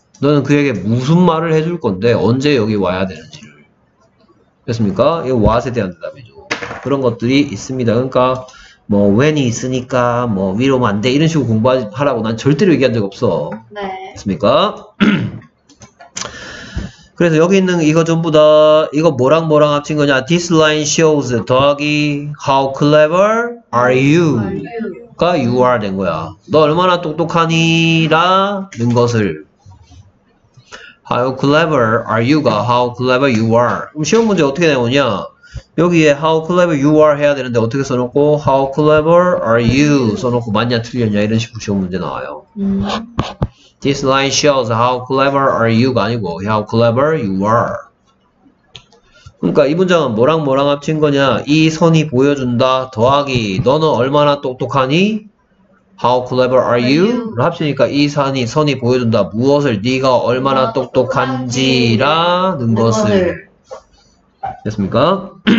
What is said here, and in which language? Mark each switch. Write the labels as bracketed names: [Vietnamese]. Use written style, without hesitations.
[Korean] 너는 그에게 무슨 말을 해줄 건데 언제 여기 와야 되는지를. 됐습니까? 이 what에 대한 대답이죠. 그런 것들이 있습니다. 그러니까 뭐 when이 있으니까 뭐 위로면 안 돼 이런 식으로 공부하라고 난 절대로 얘기한 적 없어. 네. 됐습니까? 그래서 여기 있는 이거 전부 다 이거 뭐랑 뭐랑 합친 거냐? [English] This line shows [Korean] 더하기 [English] how clever are you? 가 you are [Korean] 된 거야. 너 얼마나 똑똑하니라는 것을 [English] How clever are you가 how clever you are. [Korean] 그럼 시험 문제 어떻게 나오냐? 여기에 [English] how clever you are [Korean] 해야 되는데 어떻게 써놓고 [English] how clever are you [Korean] 써놓고 맞냐 틀렸냐 이런 식으로 시험 문제 나와요. [English] This line shows how clever are you [Korean] 가 아니고 [English] how clever you are. [Korean] 그러니까 이 문장은 뭐랑 뭐랑 합친 거냐? 이 선이 보여준다 더하기 너는 얼마나 똑똑하니? [English] How clever are you? [Korean] 합치니까 이 선이 선이 보여준다 무엇을 네가 얼마나 똑똑한지라는 것을 됐습니까?